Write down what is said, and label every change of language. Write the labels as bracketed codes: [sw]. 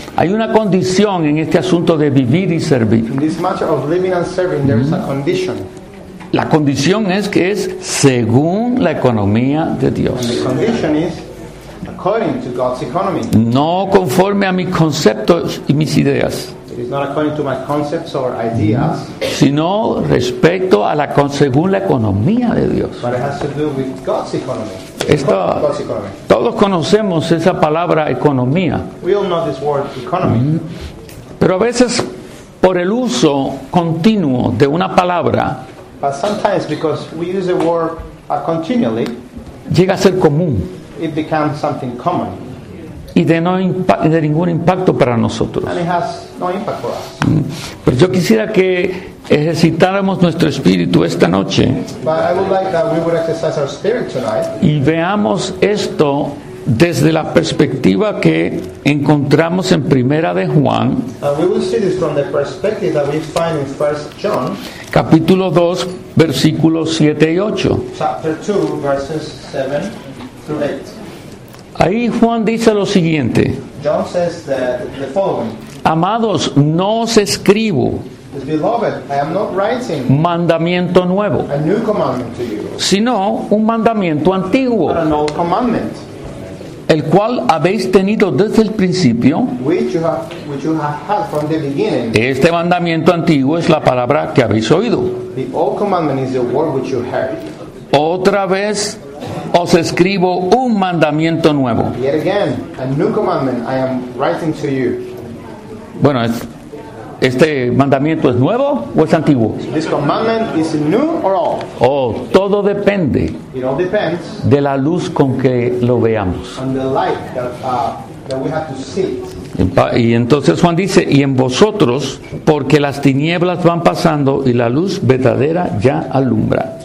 [es] Hay una condición en este asunto de vivir y servir. [en] In this matter of living and serving, there is a condition. [es] La condición es que es según la economía de Dios. [en] And the condition is according to God's economy. [es] No conforme a mis conceptos y mis ideas. [en] It is not according to my concepts or ideas, [es] sino respecto a la según la economía de Dios. [en] But it has to do with God's economy. [es] Esto, [en] God's economy. [es] Todos conocemos esa palabra economía. [en] We all know this word economy. [es] Pero a veces por el uso continuo de una palabra, [en] but sometimes because we use a word continually, [es] llega a ser común. [en] It becomes something common. [es] Y de no de ningún impacto para nosotros. [en] And it has no impact for us. [es] Pero yo quisiera que ejercitáramos nuestro espíritu esta noche. [en] But I would like that we would exercise our spirit tonight. [es] Y veamos esto desde la perspectiva que encontramos en Primera de Juan, [en] we will see this from the perspective that we find in 1 John, [es] capítulo 2, versículos 7 y 8. [en] Chapter 2, verses 7 through 8. [es] Ahí Juan dice lo siguiente. [en] John says the following. [es] Amados, no os escribo. [en] Beloved, I am not writing [es] mandamiento nuevo, [en] a new commandment to you, [es] sino un mandamiento antiguo, [en] but an old commandment, [es] el cual habéis tenido desde el principio. [en] Which you have had from the beginning. [es] Este mandamiento antiguo es la palabra que habéis oído. [en] The old commandment is the word which you heard. [es] Otra vez os escribo un mandamiento nuevo. [en] Yet again, a new commandment I am writing to you. [es] Bueno, ¿este mandamiento es nuevo o es antiguo? [en] This commandment is new or old? [es] Oh, todo depende. [en] It all depends [es] de la luz con que lo veamos. [en] On the light that we have to see. [es] Y entonces Juan dice, y en vosotros, porque las tinieblas van pasando y la luz verdadera ya alumbra.